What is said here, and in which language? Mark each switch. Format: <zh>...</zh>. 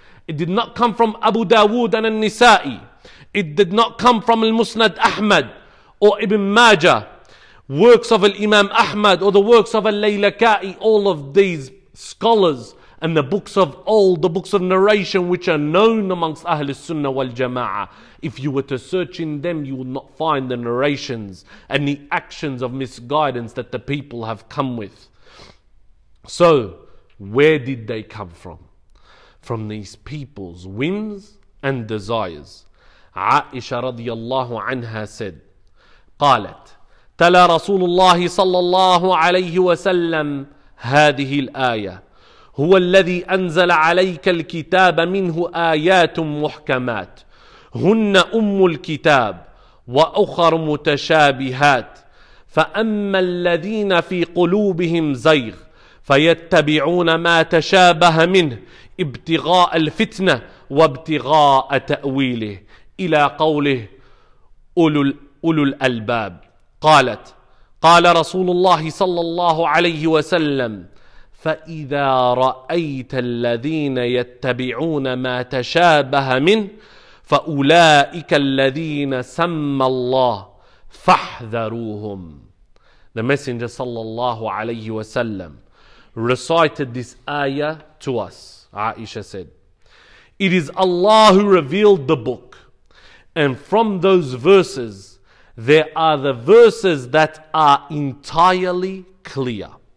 <en>It did not come from Abu Dawood and al-Nisa'i. It did not come from al-Musnad Ahmad or Ibn Majah, works of al-Imam Ahmad or the works of al-Laylaka'i, all of these scholars and the books of old, the books of narration which are known amongst Ahlul Sunnah wal Jama'ah. If you were to search in them, you will not find the narrations and the actions of misguidance that the people have come with. So, where did they come from? From these people's whims and desires. Aisha radiallahu anha said,</en> <ar>قالت تلا رسول الله صلى الله عليه وسلم هذه الآية هو الذي أنزل عليك الكتاب منه آيات محكمات هن أم الكتاب وأخر متشابهات فأما الذين في قلوبهم زيغ فيتبعون ما تشابه منه ابتغاء الفتنة وابتغاء تأويله إلى قوله أولو الألباب. قالت قال رسول الله صلى الله عليه وسلم فإذا رأيت الذين يتبعون ما تشابه منه فأولئك الذين سمى الله فاحذروهم.</ar> <en>The Messenger</en> <ar>صلى الله عليه وسلم</ar> <en>recited this ayah to us. Aisha said, it is Allah who revealed the book, and from those verses there are the verses that are entirely clear.</en>